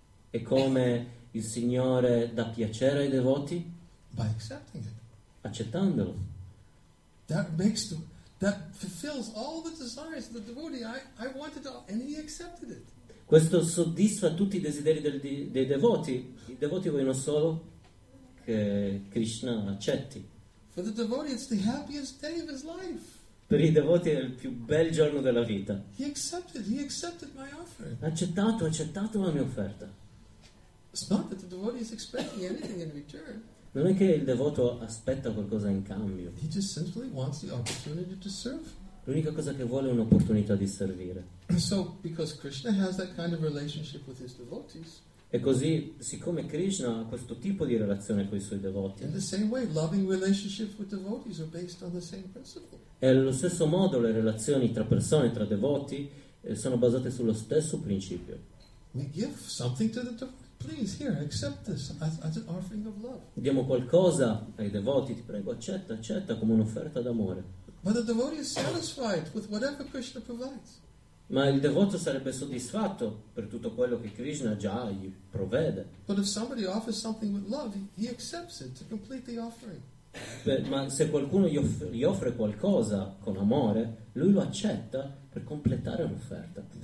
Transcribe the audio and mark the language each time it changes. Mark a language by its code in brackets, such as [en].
[it] E come il Signore dà piacere ai devoti? [en] By accepting it. [it] Accettandolo. [en] That makes the, that fulfills all the desires of the devotee. I wanted all, and he accepted it. [it] Questo soddisfa tutti i desideri dei devoti. I devoti vogliono solo che Krishna accetti. [en] For the devotee, it's the happiest day of his life. [it] Per i devoti è il più bel giorno della vita. [en] He accepted my offering. [it] Accettato la mia offerta. [en] It's not that the devotee is expecting anything in return. [it] Non è che il devoto aspetta qualcosa in cambio. [en] He just simply wants the opportunity to serve. [it] L'unica cosa che vuole è un'opportunità di servire. [en] So, because Krishna has that kind of relationship with his devotees. [it] E così, siccome Krishna ha questo tipo di relazione con i suoi devoti. [en] In the same way, loving relationships with devotees are based on the same principle. [it] E allo stesso modo le relazioni tra persone, tra devoti, sono basate sullo stesso principio. [en] We give something to the devotee. Please, here, accept this as an offering of love. [it] Diamo qualcosa ai devoti, ti prego, accetta come un'offerta d'amore. [en] But the devotee is satisfied with whatever Krishna provides. [it] Ma il devoto sarebbe soddisfatto per tutto quello che Krishna già gli provvede. [en] But if somebody offers something with love, he accepts it to complete the offering. [it] Ma se qualcuno gli offre qualcosa con amore, lui lo accetta per completare l'offerta.